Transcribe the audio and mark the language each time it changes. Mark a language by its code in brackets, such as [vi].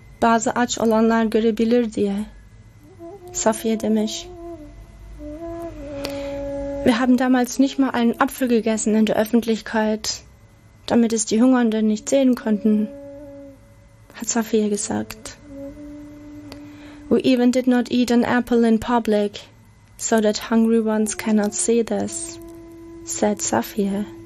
[tr] Bazı aç olanlar görebilir diye. Safiye demiş. [de] Wir haben damals nicht mal einen Apfel gegessen in der Öffentlichkeit, damit es die Hungernden nicht sehen konnten, hat Safia gesagt. [en] We even did not eat an apple in public, so that hungry ones cannot see this, said Safia.